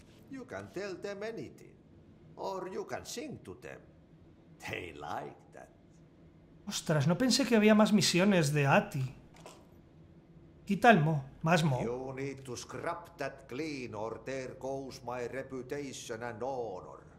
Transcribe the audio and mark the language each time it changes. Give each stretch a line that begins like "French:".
English: You can tell them anything, or you can sing to them. They like that.
Spanish: Ostras, no pensé que había más misiones de Ati. Quita el mo, más mo.
English: You need to scrap that clean, or there goes my reputation and honor.